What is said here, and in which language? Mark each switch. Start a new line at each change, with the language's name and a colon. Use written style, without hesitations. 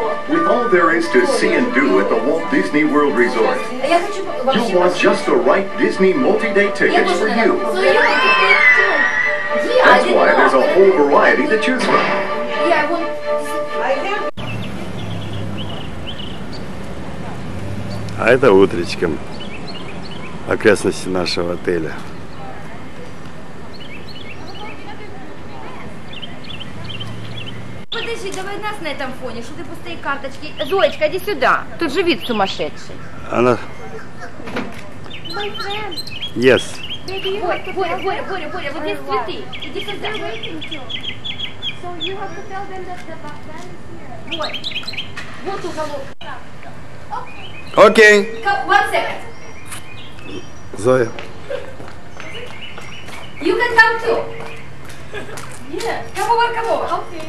English: With all there is to see and do at the Walt Disney World Resort, you'll want just the right Disney multi-day tickets for you. That's why there's a whole variety to choose from.
Russian: А это утречком окрестности нашего отеля. Подожди, Слушай, давай нас на этом фоне, что ты пустые карточки. Зоечка, иди сюда. Тут же вид сумасшедший. Она...
English: My friend. Yes.
Russian: Baby, Боря, вот здесь цветы. Иди сюда.
English: So you have to tell them that the back man is here.
Russian: Вот. Вот уголок. Окей.
English: Okay. One second.
Russian: Зоя.
English: You can come too. Yeah. Come over.